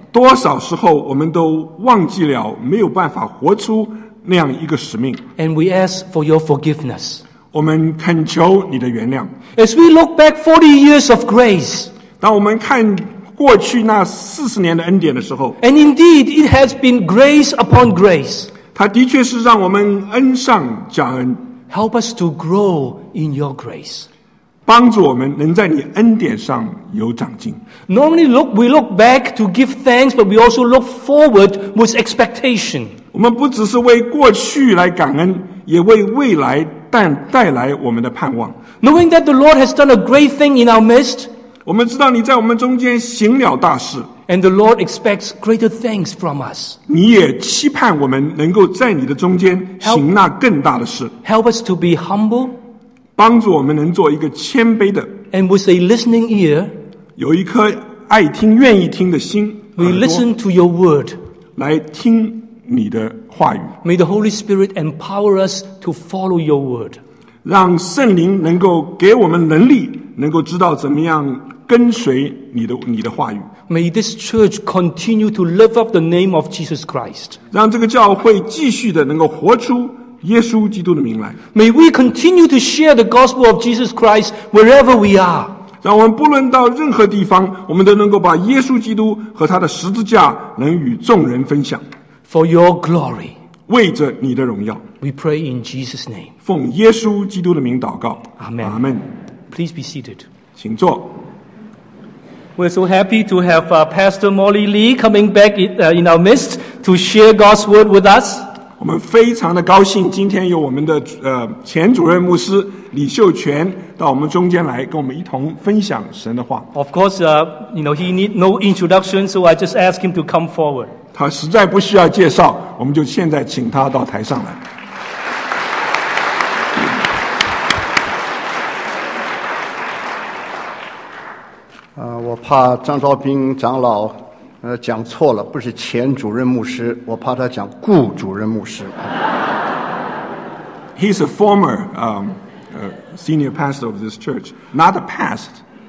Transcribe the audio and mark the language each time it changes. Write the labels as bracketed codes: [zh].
[zh] 多少时候我们都忘记了没有办法活出那样一个使命。 [en] And we ask for your forgiveness. [zh] 我们恳求你的原谅。 [en] As we look back 40 years of grace, [zh] 当我们看过去那四十年的恩典的时候， [en] And indeed it has been grace upon grace. [zh] 它的确是让我们恩上加恩。 [en] Help us to grow in your grace. [zh] 帮助我们能在你恩典上有长进。 [en] Normally, look, we look back to give thanks, but we also look forward with expectation. [zh] 我们不只是为过去来感恩，也为未来带来我们的盼望。 [en] Knowing that the Lord has done a great thing in our midst, [zh] 我们知道你在我们中间行了大事。 [en] And the Lord expects greater things from us. [zh] 你也期盼我们能够在你的中间行那更大的事。 [en] Help us to be humble. [zh] 帮助我们能做一个谦卑的 [en] And with a listening ear, [zh] 有一颗爱听愿意听的心 [en] We listen to your word, [zh] 来听你的话语 [en] May the Holy Spirit empower us to follow your word, [zh] 让圣灵能够给我们能力能够知道怎么样跟随你的话语 [en] May this church continue to live up the name of Jesus Christ, [zh] 让这个教会继续的能够活出耶稣基督的名来。 [en] May we continue to share the gospel of Jesus Christ wherever we are. [zh] 让我们不论到任何地方，我们都能够把耶稣基督和他的十字架能与众人分享。 [en] For your glory. [zh] 为着你的荣耀。 [en] We pray in Jesus' name. [zh] 奉耶稣基督的名祷告。 [en] Amen. Amen. Please be seated. [zh] 请坐。 [en] We're so happy to have Pastor Molly Lee coming back in our midst to share God's word with us. [zh] 我们非常的高兴今天有我们的前主任牧师李秀全到我们中间来跟我们一同分享神的话。 [en] Of course, you know, he need no introduction, so I just ask him to come forward. [zh] 他实在不需要介绍，我们就现在请他到台上来。我怕张昭斌长老讲错了，不是前主任牧师，我怕他讲顾主任牧师。 [en] he's a former senior pastor of this church, not a past.